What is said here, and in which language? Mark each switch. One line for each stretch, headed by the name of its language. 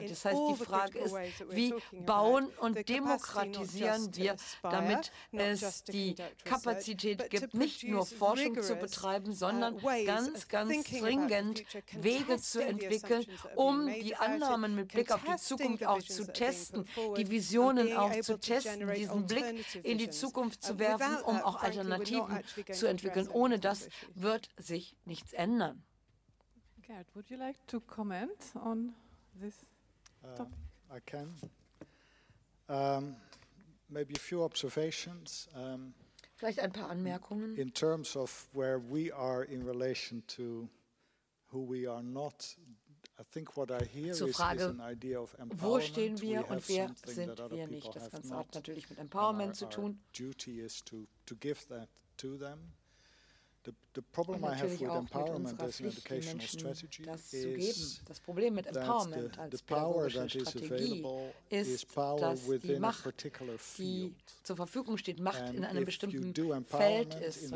German: Das heißt, die Frage ist, wie bauen und demokratisieren wir, damit es die Kapazität gibt, nicht nur Forschung zu betreiben, sondern ganz, ganz dringend Wege zu entwickeln, um die Annahmen mit Blick auf die Zukunft auch zu testen, die Visionen auch zu testen, diesen Blick in die Zukunft zu werfen, um auch Alternativen zu entwickeln. Ohne das wird sich nichts ändern.
English: Gerd, would you like to comment on this topic? I can. Maybe a few observations.
German: Vielleicht ein paar Anmerkungen.
English: In terms of where we are in relation to who we are not, I think what I hear
German: Frage,
English: is an idea of empowerment.
German: Wo stehen wir und wer sind wir nicht? Das Ganze hat natürlich mit Empowerment zu tun.
English: Our duty is to give that to them. The problem I have with empowerment as an educational strategy is that the power that is available is power within a particular field.
German: Zur Verfügung steht Macht in einem bestimmten Feld ist.